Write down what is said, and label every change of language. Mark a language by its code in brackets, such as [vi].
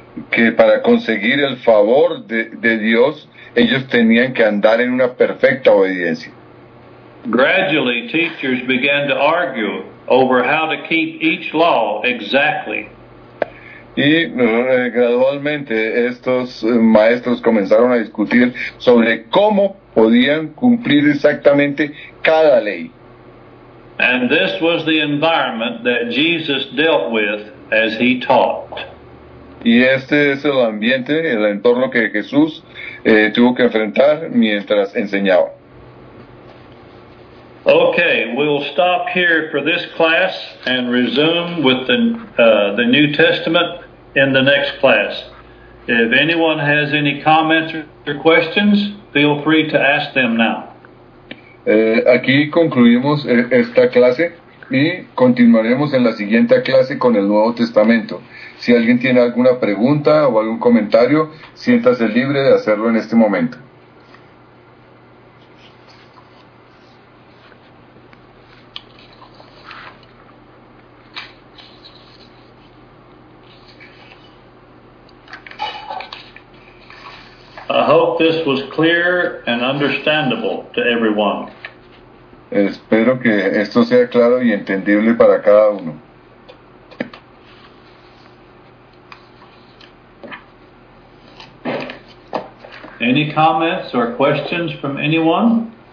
[es] Que para conseguir el favor de Dios, ellos tenían que andar en una perfecta obediencia. [en] Gradually, teachers began to argue over how to keep each law exactly. [es] Y gradualmente estos maestros comenzaron a discutir sobre cómo podían cumplir exactamente cada ley. [en] And this was the environment that Jesus dealt with as he taught. [es] Y este es el ambiente, el entorno que Jesús tuvo que enfrentar mientras enseñaba. [en] Okay, we'll stop here for this class and resume with the New Testament in the next class. If anyone has any comments or questions, feel free to ask them now. [es] Aquí concluimos esta clase y continuaremos en la siguiente clase con el Nuevo Testamento. Si alguien tiene alguna pregunta o algún comentario, siéntase libre de hacerlo en este momento. [en] I hope this was clear and understandable to everyone. [es] Espero que esto sea claro y entendible para cada uno. [en] Any comments or questions from anyone?